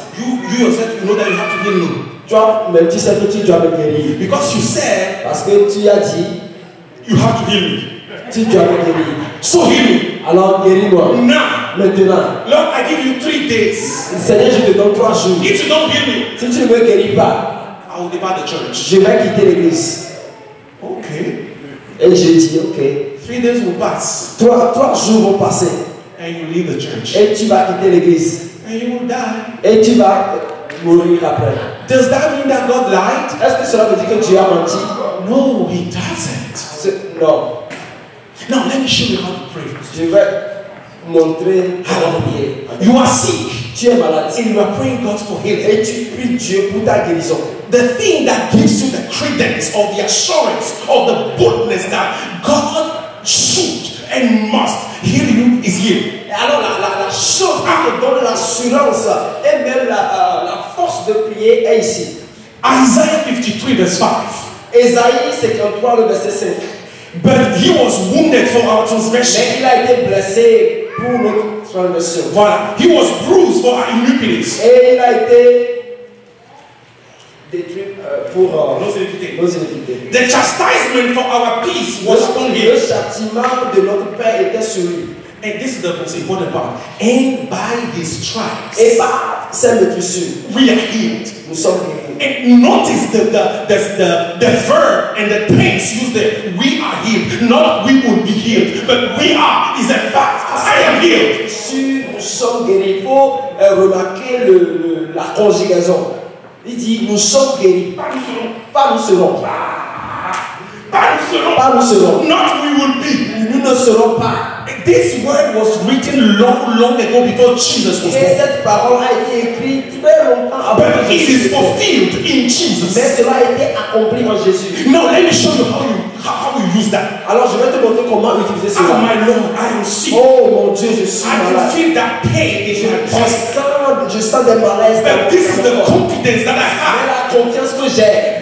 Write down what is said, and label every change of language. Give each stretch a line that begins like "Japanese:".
English: You yourself, you know that you have to heal me.
French: Mais tu sais que tu dois me guérir.
English: Because you said,
French: parce que tu as dit,
English: you have to heal me.
French: Tu dois me guérir.
English: So heal me.
French: Alors guéris-moi.
English: Now.
French: Maintenant.
English: Lord, I give you 3 days.
French: Seigneur, je te donne 3 jours.
English: If you don't heal me,
French: si tu ne me guéris pas,
English: I will depart the church.
French: Je vais quitter l'église.
English: Okay.
French: Et je dis ok.
English: 3 days will pass.
French: Trois jours vont passer.
English: And you leave the church.
French: Et tu vas quitter l'église.
English: And you will die.
French: Et tu vas mourir après.
English: Does that mean that God lied?
French: Est-ce que cela veut dire que tu as menti?
English: No, he doesn't.
French: Non.
English: Now let me show you how to pray.
French: Je vais montrer comment prier.
English: You are sick.
French: Tu es malade.
English: And you are praying God for healing.
French: Et tu pries Dieu pour ta guérison.
English: The thing that gives you the credence or the assurance or the boldness that God should and must heal you is you.
French: Alors la chose qui te donne l'assurance et même la force de prier est ici.
English: Isaiah 53 verse 5.
French: Esaïe 53 le verset 5.
English: But he was wounded for our transgression.
French: Mais il a été blessé pour notre transgression.
English: Voilà. He was bruised for our iniquities.
French: Et il a été détruit pour nos iniquités.
English: The chastisement for our peace was upon him.
French: Le châtiment de notre paix était sur lui.
English: And this is the most important part. And by his stripes,
French: et par ses blessures,
English: we are healed.
French: Nous sommes guéris.
English: And notice the verb and the tense used there. We are healed. Not we will be healed, but we are is a fact. I am healed.
French: Si nous sommes guéris, il faut remarquer la conjugaison. Il dit nous sommes guéris. Pas nous serons. Pas nous serons. Pas nous serons. Pas nous serons.
English: Not we will be.
French: Nous ne serons pas.
English: This word was written long, long ago before Jesus was born.
French: Et cette parole a été écrite très longtemps avant.
English: But it is fulfilled in Jesus.
French: Mais cela a été accompli en Jésus.
English: Now let me show you how you use that.
French: Alors je vais te montrer comment utiliser cela.
English: Oh my Lord, I am sick.
French: Oh mon Dieu, je suis malade.
English: I can feel that pain in my chest.
French: Je sens des malaises.
English: But this is the confidence that I have.
French: Mais la confiance que j'ai.